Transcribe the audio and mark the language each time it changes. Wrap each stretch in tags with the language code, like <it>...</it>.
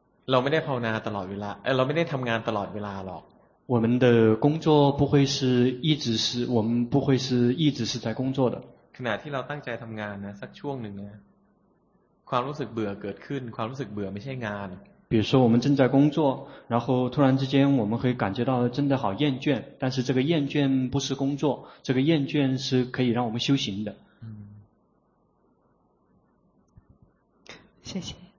<th>เราไม่ได้ภาวนาตลอดเวลาเราไม่ได้ทำงานตลอดเวลาหรอก</th> <zh>我们的工作不会是一直是我们不会是一直是在工作的</zh> <th>ขณะที่เราตั้งใจทำงานนะสักช่วงหนึ่งนะความรู้สึกเบื่อเกิดขึ้นความรู้สึกเบื่อไม่ใช่งาน</th> <zh>比如说我们正在工作然后突然之间我们可以感觉到真的好厌倦但是这个厌倦不是工作这个厌倦是可以让我们修行的谢谢</zh>